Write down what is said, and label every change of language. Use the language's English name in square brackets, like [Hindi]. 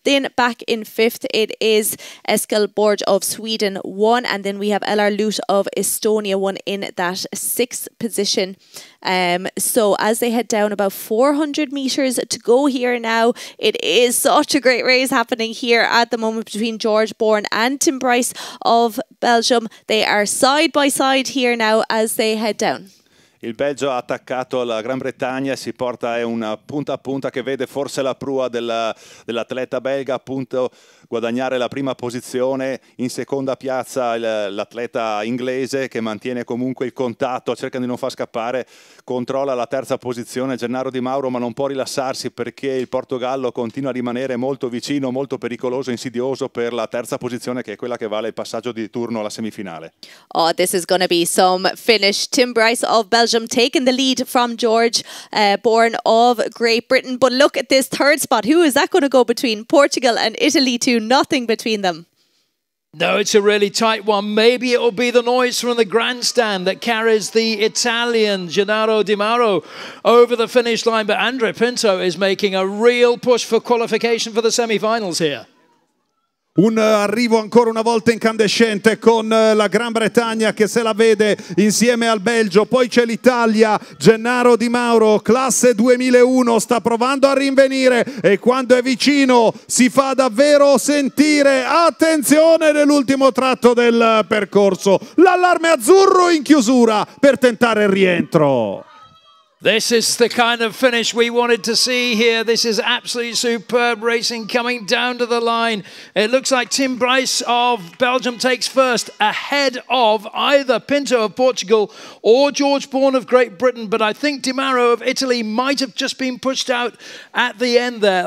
[English] Then back in fifth, it is Eskil Borge of Sweden 1, and then we have LR Lute of Estonia 1 in that sixth position. So as they head down about 400 metres to go here now, it is such a great race happening here at the moment between George Bourne and Tim Brees of Belgium. They are side by side here now as they head down. [Italian] Il Belgio ha attaccato la Gran Bretagna, si porta una punta a punta che vede forse la prua dell'atleta belga appunto guadagnare la prima posizione, in seconda piazza l'atleta inglese che mantiene comunque il contatto, cerca di non far scappare, controlla la terza posizione Gennaro Di Mauro, ma non può rilassarsi perché il Portogallo continua a rimanere molto vicino, molto pericoloso, insidioso per la terza posizione che è quella che vale il passaggio di turno alla semifinale. [English] Oh, this is gonna be some finish. Tim Brees of Belgium taking the lead from George Bourne of Great Britain. But look at this third spot. Who is that going to go between? Portugal and Italy 2. Nothing between them. No, it's a really tight one. Maybe it will be the noise from the grandstand that carries the Italian Gennaro Di Mauro over the finish line. But Andre Pinto is making a real push for qualification for the semi-finals here. [Italian] Un arrivo ancora una volta incandescente con la Gran Bretagna che se la vede insieme al Belgio, poi c'è l'Italia, Gennaro Di Mauro, classe 2001, sta provando a rinvenire e quando è vicino si fa davvero sentire, attenzione nell'ultimo tratto del percorso, l'allarme azzurro in chiusura per tentare il rientro. [English] This is the kind of finish we wanted to see here. This is absolutely superb racing coming down to the line. It looks like Tim Bryce of Belgium takes first ahead of either Pinto of Portugal or George Bourne of Great Britain. But I think Di Maro of Italy might have just been pushed out at the end there.